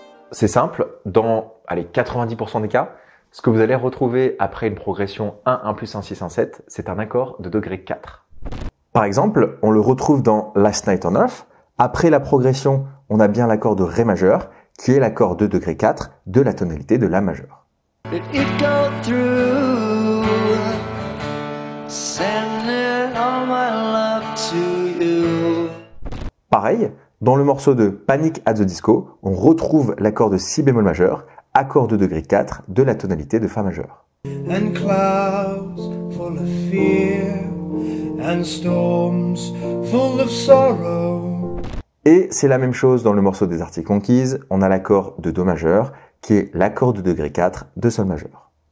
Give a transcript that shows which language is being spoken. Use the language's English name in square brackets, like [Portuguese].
[French] C'est simple, dans 90% des cas, ce que vous allez retrouver après une progression 1, 1+, 1, 6, 1, 7, c'est un accord de degré 4. Par exemple, on le retrouve dans Last Night on Earth. Après la progression, on a bien l'accord de Ré majeur, qui est l'accord de degré 4 de la tonalité de La majeur. [English] It go through, send it all my love to you. [French] Pareil, dans le morceau de Panic at the Disco, on retrouve l'accord de Si bémol majeur, accord de degré 4 de la tonalité de Fa majeur. [English] And clouds full of fear, and storms full of sorrow. [French] Et c'est la même chose dans le morceau des Arctic Monkeys, on a l'accord de Do majeur, qui est l'accord de degré 4 de Sol majeur.